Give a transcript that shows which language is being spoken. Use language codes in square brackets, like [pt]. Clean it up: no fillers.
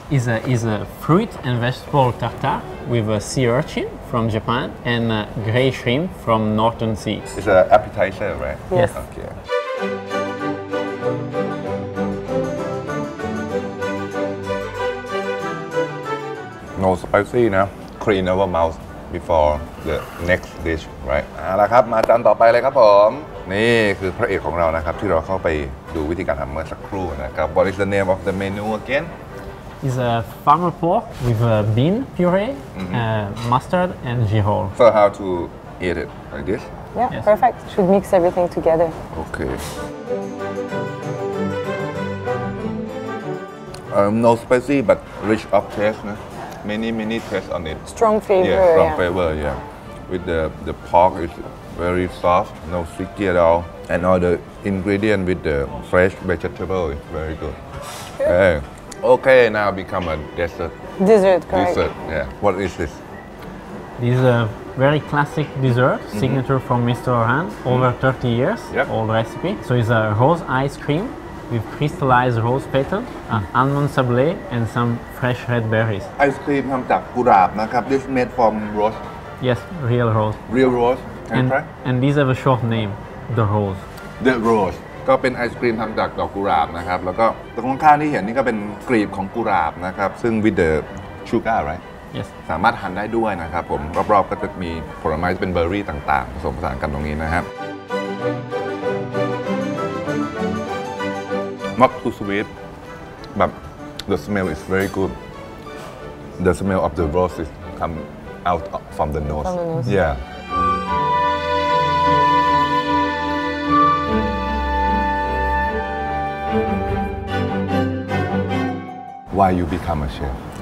[en] Is a fruit and vegetable tartare with a sea urchin from Japan and a grey shrimp from Northern Sea. It's an appetizer, right? Yes. Okay. No spicy, no? Clean our mouth before the next dish, right? [th] เอาละครับมาจานต่อไปเลยครับผมนี่คือพระเอกของเรานะครับที่เราเข้าไปดูวิธีการทำเมื่อสักครู่นะครับ [en] What is the name of the menu again? It's a farmer pork with a bean puree, mustard and girolle. So how to eat it? Like this? Yeah, yes. Perfect. Should mix everything together. Okay. No spicy, but rich of taste. No? Many taste on it. Strong flavor. Yeah, strong flavor, yeah. With the pork is very soft, no sticky at all. And all the ingredient with the fresh vegetable is very good. Okay, now become a dessert. Dessert, correct. Dessert, yeah. What is this? This is a very classic dessert, signature from Mr. Oran, over 30 years old recipe. So it's a rose ice cream with crystallized rose petal, almond sablé, and some fresh red berries. Ice cream from Gulab, right? This is made from rose. Yes, real rose. Real rose, and try? And these have a short name, the rose. The rose. [th] ก็เป็นไอศกรีมทำจากดอกกุหลาบนะครับแล้วก็ตรงข้างที่เห็นนี่ก็เป็นกรีบของกุหลาบนะครับซึ่ง [en] with the sugar right yes [th] สามารถหั่นได้ด้วยนะครับผมรอบๆก็จะมีผลไม้เป็นเบอร์รี่ต่างๆผสมผสานกันตรงนี้นะครับ [en] not too sweet but the smell is very good the smell of the rose is come out from the nose, yeah Why you become a chef?